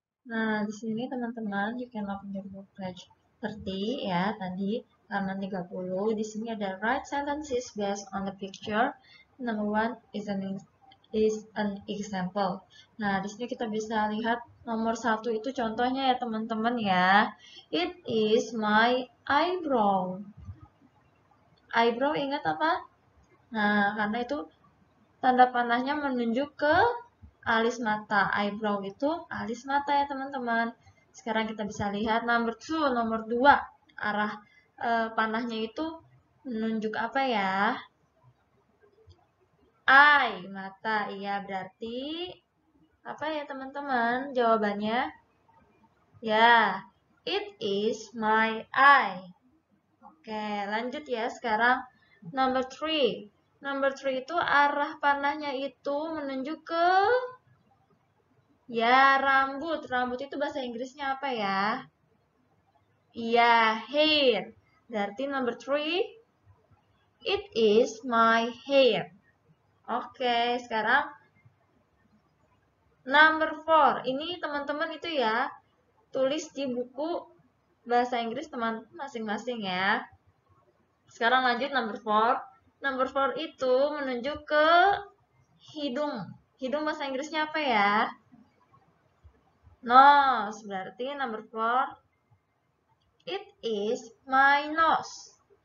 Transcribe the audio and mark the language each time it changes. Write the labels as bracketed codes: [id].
[id] Nah, di sini teman-teman, [en] you can open your book, page 30 [id] ya, tadi halaman 30. Di sini ada [en] write sentences based on the picture. Number one is an example. [id] Nah, di sini kita bisa lihat nomor satu itu contohnya ya teman-teman ya. [en] It is my eyebrow. Eyebrow [id] ingat apa? Nah, karena itu tanda panahnya menunjuk ke alis mata. Eyebrow itu alis mata ya teman-teman. Sekarang kita bisa lihat number two, nomor dua. Arah panahnya itu menunjuk apa ya? Eye, mata, iya berarti apa ya teman-teman jawabannya? Ya, [en] it is my eye. [id] Oke, lanjut ya sekarang [en] number three. [id] Number three itu arah panahnya itu menunjuk ke ya rambut. Rambut itu bahasa Inggrisnya apa ya? Iya, hair. Berarti [en] number three, it is my hair. [id] Oke, sekarang number 4. Ini teman-teman itu ya, tulis di buku bahasa Inggris teman masing-masing ya. Sekarang lanjut number 4. Number 4 itu menunjuk ke hidung. Hidung bahasa Inggrisnya apa ya? [en] Nose. [id] Berarti [en] number 4, it is my nose.